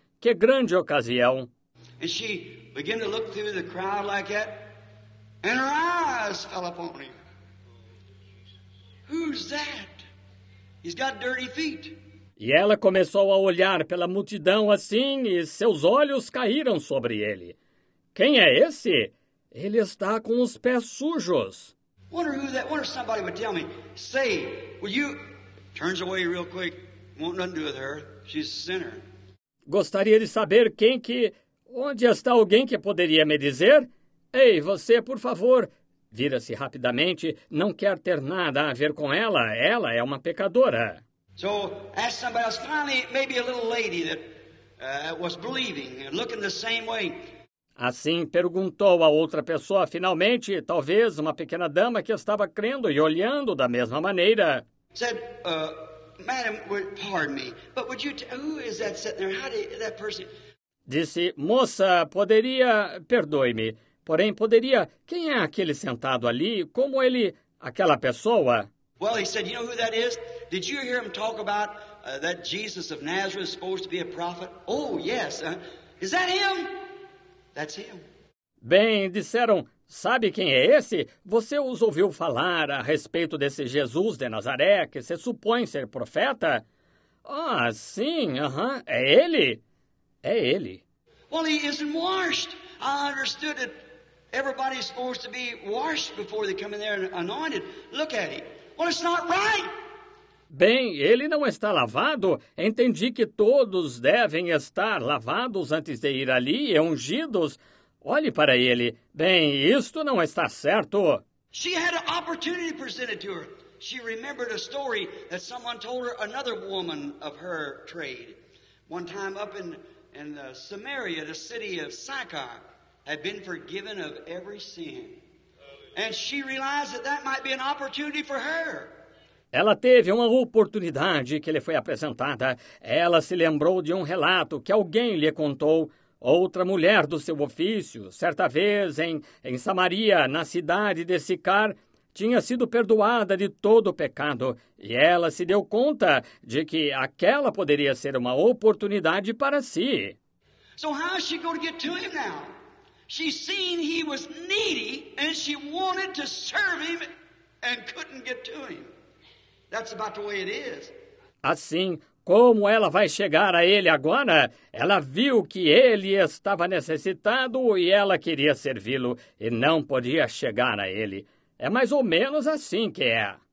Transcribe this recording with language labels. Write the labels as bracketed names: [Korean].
[Portuguese] Que grande ocasião! [English] And she began to look through the crowd like that, and her eyes fell upon him. Who's that? He's got dirty feet. [Portuguese] E ela começou a olhar pela multidão assim, e seus olhos caíram sobre ele. Quem é esse? Ele está com os pés sujos. [English] Wonder who that? Wonder somebody would tell me. Say, will you? Turns away real quick. Won't nothing do with her. She's a sinner. [Portuguese] Gostaria de saber quem que... Onde está alguém que poderia me dizer? Ei, você, por favor. Vira-se rapidamente. Não quer ter nada a ver com ela. Ela é uma pecadora. [English] So, ask somebody else. Finally, maybe a little lady that was believing and looking the same way. [Portuguese] Assim, perguntou a outra pessoa, finalmente, talvez uma pequena dama que estava crendo e olhando da mesma maneira. [English] Said, Madam, pardon me, but would you tell, who is that sitting there? How did that person... [Portuguese] Disse, moça, poderia, perdoe-me, porém poderia, quem é aquele sentado ali? Como ele, aquela pessoa? [English] Well, he said, you know who that is? Did you hear him talk about that Jesus of Nazareth is supposed to be a prophet? Oh, yes. Is that him? That's him. [Portuguese] Bem, disseram, sabe quem é esse? Você os ouviu falar a respeito desse Jesus de Nazaré, que se supõe ser profeta? Ah, sim, aham, é ele? É ele. [English] Well, he isn't washed. I understood that everybody's supposed to be washed before they come in there and anointed. Look at him. Well, it's not right. [Portuguese] Bem, ele não está lavado. Entendi que todos devem estar lavados antes de ir ali e ungidos. Olhe para ele. Bem, isto não está certo. [English] She had an opportunity presented to her. She remembered a story that someone told her, another woman of her trade. One time up in Samaria, the city of Sychar, had been forgiven of every sin. And she realized that might be an opportunity for her. [Portuguese] Ela teve uma oportunidade que lhe foi apresentada. Ela se lembrou de um relato que alguém lhe contou. Outra mulher do seu ofício, certa vez em Samaria, na cidade de Sicar, tinha sido perdoada de todo o pecado. E ela se deu conta de que aquela poderia ser uma oportunidade para si. [English] So how is she going to get to him now? She seen he was needy and she wanted to serve him and couldn't get to him. That's about the way it is. [Portuguese] Assim, como ela vai chegar a ele agora? Ela viu que ele estava necessitado e ela queria servi-lo e não podia chegar a ele. É mais ou menos assim que é.